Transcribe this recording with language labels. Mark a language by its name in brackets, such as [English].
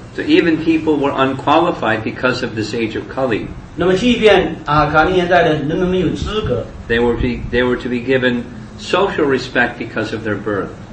[English] So even people were unqualified because of this age of Kali. [Chinese] 那么即便卡利年代的人们没有资格 [English] they were to be given social respect because of their birth